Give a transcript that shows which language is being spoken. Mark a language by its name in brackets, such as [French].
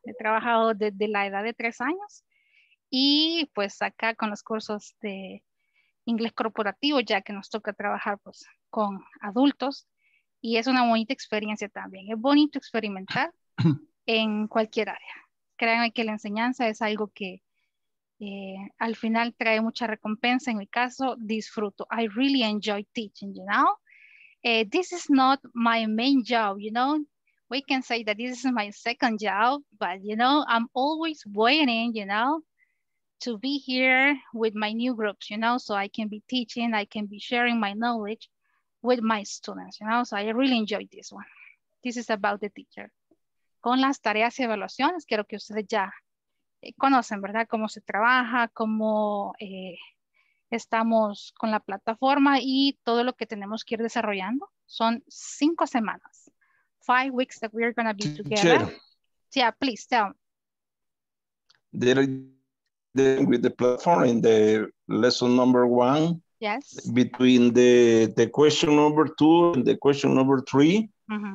[Spanish] He trabajado desde la edad de 3 años y pues acá con los cursos de inglés corporativo, ya que nos toca trabajar pues, con adultos y es una bonita experiencia también. Es bonito experimentar en cualquier área. Créanme que la enseñanza es algo que al final trae mucha recompensa. En mi caso, disfruto. [English] I really enjoy teaching, you know. This is not my main job, you know. We can say that this is my second job, but you know, I'm always waiting, you know, to be here with my new groups, you know, so I can be teaching, I can be sharing my knowledge with my students, you know, so I really enjoyed this one. This is about the teacher. [Spanish] Con las tareas y evaluaciones, quiero que ustedes ya conocen, ¿verdad? Cómo se trabaja, cómo estamos con la plataforma y todo lo que tenemos que ir desarrollando. Son 5 semanas. [English] 5 weeks that we are going to be together. Sure. Yeah, please tell. With the platform in the lesson number 1. Yes. Between the question number 2 and the question number 3, mm-hmm.